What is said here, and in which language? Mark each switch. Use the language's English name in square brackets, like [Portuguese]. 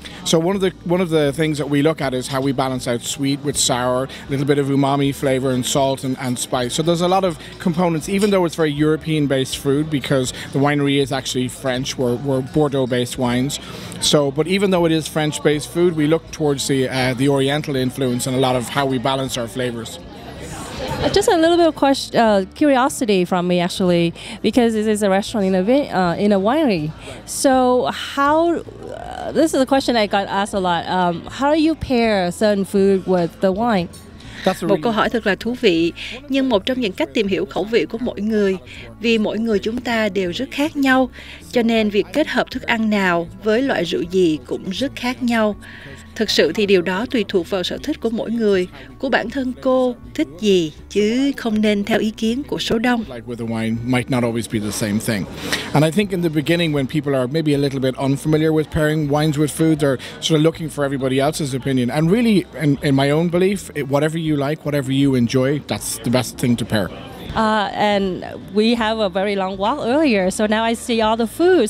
[English] So one of the things that we look at is how we balance out sweet with sour, a little bit of umami flavor and salt and spice. So there's a lot of components, even though it's very European based food, because the winery is actually French, we're Bordeaux based wines. So, but even though it is French based food, we look towards the Oriental influence and a lot of how we balance our flavors. Just a little bit of question, curiosity from me, actually, because this is a restaurant in a winery. So how, this is a question I got asked a lot, how do you pair certain food with the wine? [Vietnamese] Một câu hỏi thật là thú vị, nhưng một trong những cách tìm hiểu khẩu vị của mỗi người, vì mỗi người chúng ta đều rất khác nhau, cho nên việc kết hợp thức ăn nào với loại rượu gì cũng rất khác nhau. Thực sự thì điều đó tùy thuộc vào sở thích của mỗi người, của bản thân cô thích gì, chứ không nên theo ý kiến của số đông. [English] Like with the wine might not always be the same thing. And I think in the beginning when people are maybe a little bit unfamiliar with pairing wines with foods or sort of looking for everybody else's opinion. And really in my own belief, whatever you like, whatever you enjoy, that's the best thing to pair. And we have a very long walk earlier, so now I see all the food.